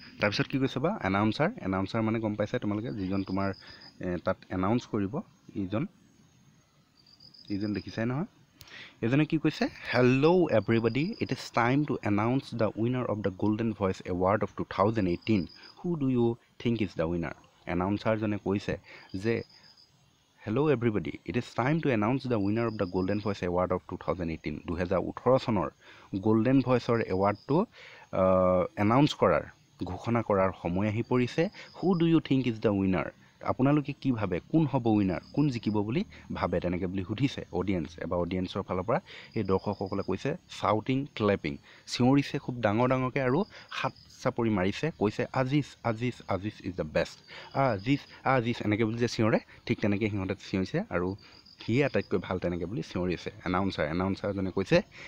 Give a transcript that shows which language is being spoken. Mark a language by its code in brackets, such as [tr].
[as] তাৰপিছত কি কৈছে বা এনাউন্সাৰ মানে গম পাইছে তোমালোকে যিজন তোমাৰ তাত এনাউন্স কৰিব ইজন দেখিছাই নহয়, এজনে কি কৈছে, [en] Hello' everybody, it is time to announce the winner of the golden voice award of 2018, who do you think is the winner. [as] এনাউন্সাৰজনে কৈছে যে [en] hello' everybody, it is time to announce the winner of the golden voice award of 2018, [as] 2018 চনৰ golden ভইচৰ এৱাৰ্ডটো announce কৰাৰ ঘোষণা কৰাৰ সময় আহি পৰিছে। [en] who do you think is the winner, [as] আপোনালোকে কি ভাবে কোন হ'ব উইনাৰ, কোন জিকিব বুলি ভাবে তেনেকৈ বুলি সুধিছে অডিয়েঞ্চ। এবাৰ অডিয়েঞ্চৰ ফালৰ পৰা এই দৰ্শকসকলে কৈছে চাউটিং ক্লেপিং, চিঞৰিছে খুব ডাঙৰ ডাঙৰকৈ আৰু হাত চাপৰি মাৰিছে, কৈছে Aziz Aziz [en] Aziz is the best, [as] Aziz Aziz এনেকৈ বুলি যে চিঞৰে, ঠিক তেনেকৈ সিহঁতে চিঞৰিছে আৰু সিয়ে আটাইতকৈ ভাল তেনেকৈ বুলি চিঞৰিছে এনাউন্সাৰজনে কৈছে,